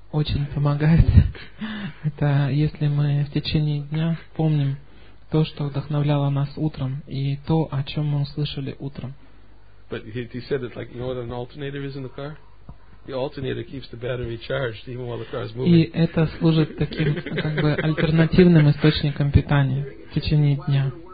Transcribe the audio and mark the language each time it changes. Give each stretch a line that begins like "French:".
Russian: очень помогает, это если мы в течение дня помним то, что вдохновляло нас утром, и то, о чем мы услышали утром.
English: But he said it's like, you know what an alternator is in the car? The alternator keeps the battery charged even while the car is moving.
Russian: И это служит таким как бы альтернативным источником питания в течение дня.